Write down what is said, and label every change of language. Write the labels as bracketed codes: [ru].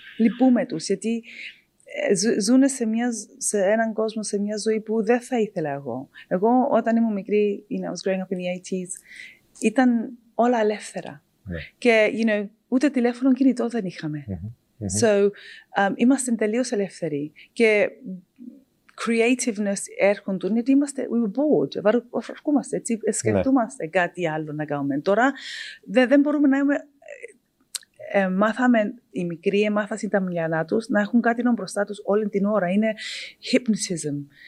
[el] Λυπούμε τους, γιατί ζουν σε έναν κόσμο, σε μια ζωή που δεν θα ήθελα εγώ. Εγώ όταν ήμουν μικρή, [en] you know, I was growing up in the 80s, [el] ήταν όλα ελεύθερα. [en] Yeah. [el] Και, [en] you know, [el] ούτε τηλέφωνο κινητό δεν είχαμε. Mm-hmm. [en] So, [el] είμαστε τελείως ελεύθεροι. Και creativeness έρχονται, γιατί είμαστε, [en] we were bored, [el] βαρκούμαστε, έτσι, σκεφτούμαστε ναι. κάτι άλλο να κάνουμε. Τώρα δεν μπορούμε να είμαι, μάθαμε, οι μικροί μάθασαν τα μυαλά τους, να έχουν κάτι μπροστά τους όλη την ώρα, είναι hypnotism.